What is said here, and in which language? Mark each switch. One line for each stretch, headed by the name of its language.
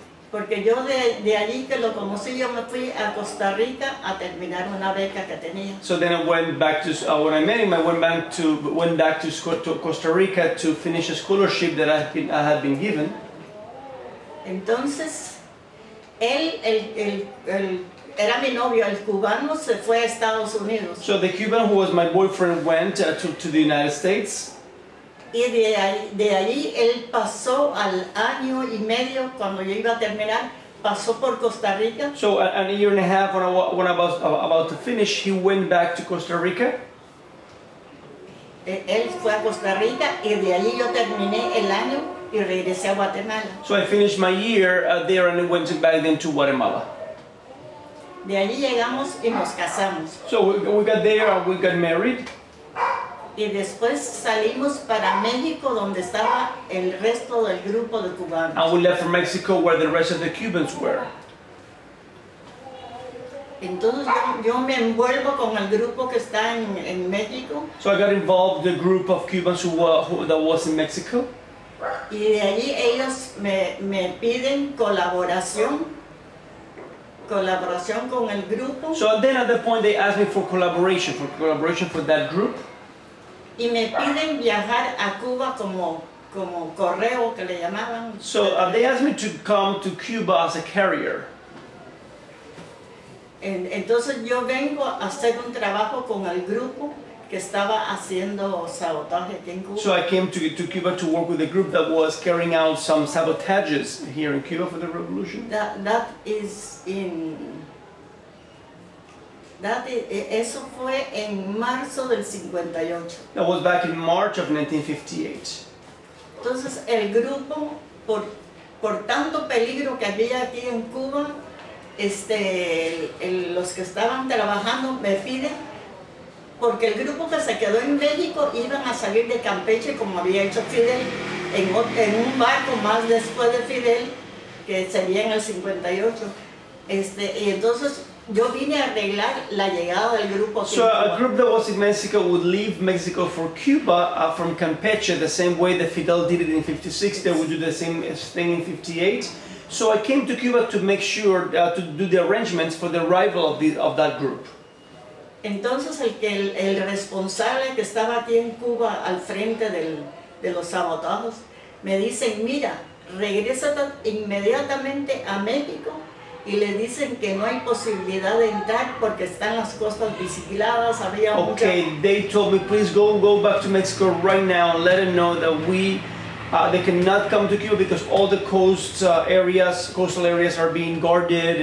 Spanish: Porque yo de allí que lo conocí, yo me fui a Costa Rica a terminar una beca que tenía.
English: So then I went back to when I met him, I went back to Costa Rica to finish a scholarship that I had been given.
Spanish: Entonces, él era mi novio, el cubano, se fue a Estados Unidos.
English: So the Cuban who was my boyfriend went to the United States.
Spanish: Y de ahí él pasó al año y medio cuando yo iba a terminar, pasó por Costa Rica.
English: So an year and a half when I was about to finish, he went back to Costa Rica.
Spanish: Él fue a Costa Rica y de ahí yo terminé el año. Y regresé a Guatemala.
English: So I finished my year there and went back then to Guatemala.
Spanish: De allí llegamos y nos casamos.
English: So we got there and we got married.
Spanish: Y después salimos para México donde estaba el resto del grupo de cubanos.
English: And we left for Mexico where the rest of the Cubans were.
Spanish: Entonces yo me envuelvo con el grupo que está en México.
English: So I got involved with the group of Cubans that was in Mexico.
Spanish: Y de allí ellos me piden colaboración, colaboración con el grupo.
English: So then at that point they asked me for collaboration for that group.
Spanish: Y me piden viajar a Cuba como correo que le llamaban.
English: So they asked me to come to Cuba as a carrier.
Spanish: Entonces yo vengo a hacer un trabajo con el grupo. Estaba haciendo sabotaje aquí en Cuba.
English: So I came to Cuba to work with a group that was carrying out some sabotages here in Cuba for the revolution.
Spanish: Eso fue en marzo del 58.
English: That was back in March of 1958.
Spanish: Entonces el grupo por tanto peligro que había aquí en Cuba, los que estaban trabajando me piden. Porque el grupo que se quedó en México iban a salir de Campeche como había hecho Fidel en un barco más después de Fidel que sería en el 58. Y entonces Yo vine a arreglar la llegada del grupo.
English: So a group that was in Mexico would leave Mexico for Cuba from Campeche, the same way that Fidel did it in 56. They would do the same thing in 58. So I came to Cuba to make sure to do the arrangements for the arrival of that group.
Spanish: Entonces el responsable que estaba aquí en Cuba al frente de los sabotajes me dice, mira, regresa inmediatamente a México. Y le dicen que no hay posibilidad de entrar porque están las costas vigiladas, había okay, mucha...
English: They told me, please go back to Mexico right now and let them know that they cannot come to Cuba because all the coastal areas are being guarded.